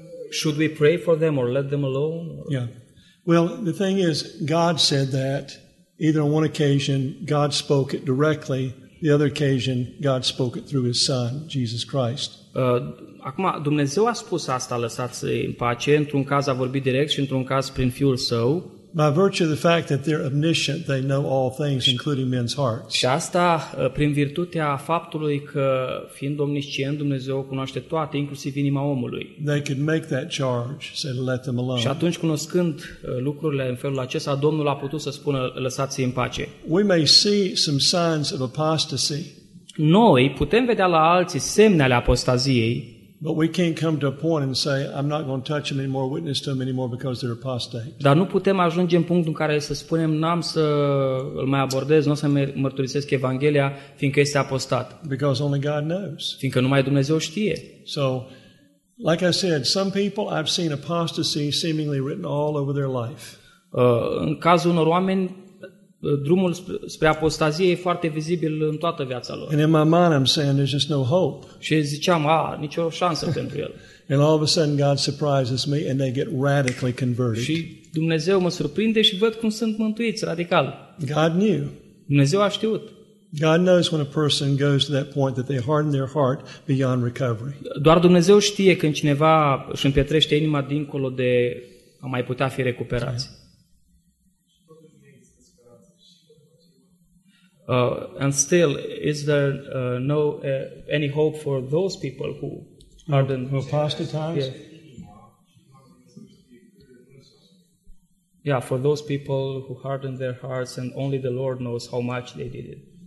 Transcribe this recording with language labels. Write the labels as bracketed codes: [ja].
[en] should we pray for them or let them alone? Or? Yeah. Well, the thing is, God said that either on one occasion, God spoke it directly. The other occasion, God spoke it through His Son, Jesus Christ. [ro] Acum, Dumnezeu a spus asta, lăsați-i în pace. Într-un caz a vorbit direct și într-un caz prin Fiul Său. [en] By virtue of the fact that they're omniscient, they know all things, including men's hearts. [ro] Și asta, prin virtutea faptului că, fiind omniscient, Dumnezeu cunoaște toate, inclusiv inima omului. [en] They could make that charge, say, let them alone. [ro] Și atunci, cunoscând lucrurile în felul acesta, Domnul a putut să spună, lăsați-i în pace. [en] We may see some signs of apostasy. [ro] Noi putem vedea la alții semne ale apostaziei. [en] But we can't come to a point and say I'm not going to touch them anymore, witness to them anymore because they're apostate. [ro] Dar nu putem ajunge în punctul în care să spunem n-am să îl mai abordez, n-o să mărturisesc evanghelia fiindcă este apostat. [en] Because only God knows. [ro] Fiindcă numai Dumnezeu știe. [en] So, like I said, some people I've seen apostasy seemingly written all over their life. [ro] În cazul unor oameni drumul spre apostazie e foarte vizibil în toată viața lor. [en] And in my mind I'm saying there's just no hope. [ro] Și ziceam, nicio șansă pentru el. [en] And all of a sudden God surprises me and they get radically converted. [ro] Și Dumnezeu mă surprinde și văd cum sunt mântuiți radical. [en] God knew. [ro] Dumnezeu a știut. [en] God knows when a person goes to that point that they harden their heart beyond recovery. [ro] Doar Dumnezeu știe când cineva își împietrește inima dincolo de a mai putea fi recuperat. [en] Right. And still, is there any hope for those people who are apostatized? Yeah. Yeah, for those people who hardened their hearts and only the Lord knows how much they did it.